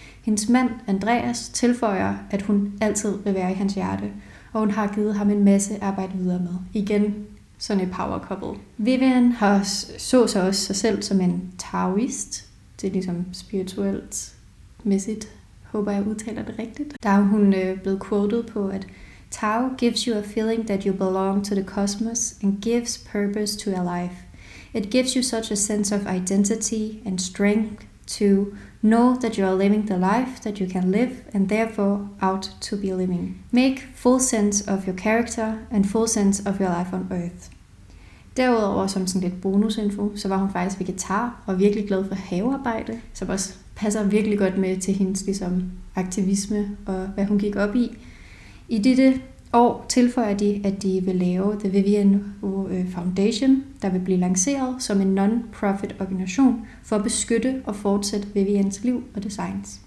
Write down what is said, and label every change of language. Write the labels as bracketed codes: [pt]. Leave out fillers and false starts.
[da] Hendes mand, Andreas, tilføjer, at hun altid vil være i hans hjerte, og hun har givet ham en masse arbejde videre med. Igen, sådan et power couple. Vivienne har så sig også sig selv som en taoist. Det er ligesom spirituelt mæssigt. Håber jeg udtaler det rigtigt. Der er hun blevet quoted på, at [en] Tao gives you a feeling that you belong to the cosmos and gives purpose to your life. It gives you such a sense of identity and strength to Know that you are living the life that you can live and therefore ought to be living. Make full sense of your character and full sense of your life on earth. [da] Derudover som sådan lidt bonusinfo, så var hun faktisk vegetar og virkelig glad for havearbejde, som også passer virkelig godt med til hendes ligesom, aktivisme og hvad hun gik op i. I dette år tilføjer de, at de vil lave The Vivian Foundation, der vil blive lanceret som en non-profit organisation for at beskytte og fortsætte Vivians liv og designs.